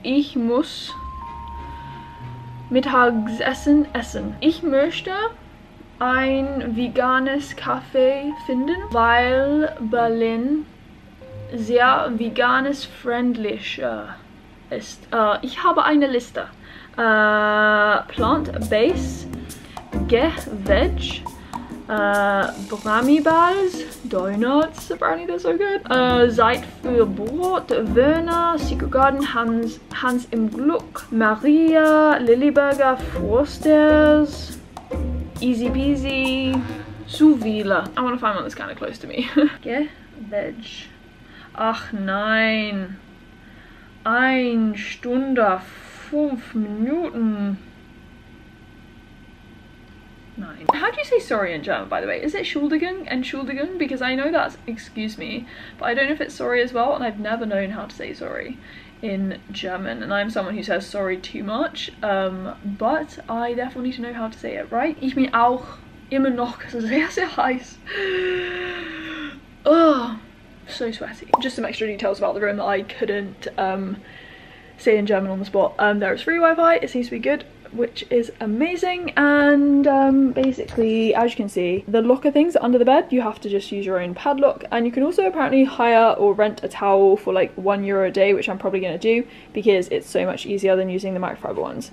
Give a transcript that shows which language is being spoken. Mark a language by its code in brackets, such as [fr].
[de] Ich muss Mittagessen essen. Ich möchte ein veganes Café finden, weil Berlin sehr veganes friendly ist. Ich habe eine Liste. [en] Plant-based, Ge-Veg, Brami-Bars, Donuts, Brownie, they're so good. [de] Zeit für Brot, Werner, Secret Garden, Hans im Gluck, Maria, Lilliburger, Forsters, Easy Peasy, Suvila. [en] I want to find one that's kind of close to me. [de] Ge Veg. Ach nein. 1 Stunde 5 Minuten. Nein. [en] How do you say sorry in German, by the way? Is it Schuldigung? Entschuldigung? Because I know that's excuse me, but I don't know if it's sorry as well, and I've never known how to say sorry in German, and I'm someone who says sorry too much, but I definitely need to know how to say it, right? [de] Ich bin auch immer noch sehr, sehr heiß. [en] Oh, so sweaty. Just some extra details about the room that I couldn't say in German on the spot. There is free Wi-Fi, it seems to be good, which is amazing, and basically, as you can see, the locker things are under the bed. You have to just use your own padlock, and you can also apparently hire or rent a towel for like 1 euro a day, which I'm probably gonna do because it's so much easier than using the microfiber ones.